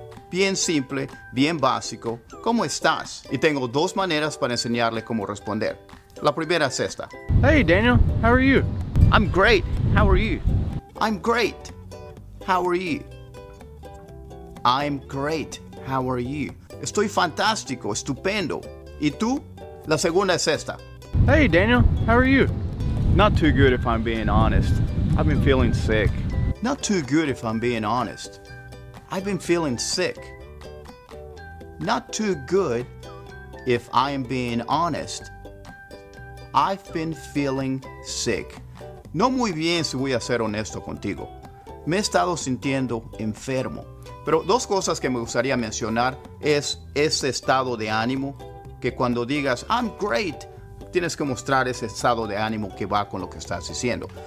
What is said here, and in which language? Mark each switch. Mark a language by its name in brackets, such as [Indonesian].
[Spanish] Bien simple, bien básico, ¿cómo estás? Y tengo dos maneras para enseñarle cómo responder. La primera es esta. [English] Hey, Daniel, how are you? I'm great, how are you? I'm great, how are you? I'm great, how are you? [Spanish] Estoy fantástico, estupendo. ¿Y tú? La segunda es esta. [English] Hey, Daniel, how are you? Not too good if I'm being honest. I've been feeling sick. Not too good if I'm being honest. I've been feeling sick. Not too good if I'm being honest. I've been feeling sick. [Spanish] No muy bien si voy a ser honesto contigo. Me he estado sintiendo enfermo. Pero dos cosas que me gustaría mencionar es ese estado de ánimo que cuando digas [English] I'm great, [Spanish] tienes que mostrar ese estado de ánimo que va con lo que estás diciendo.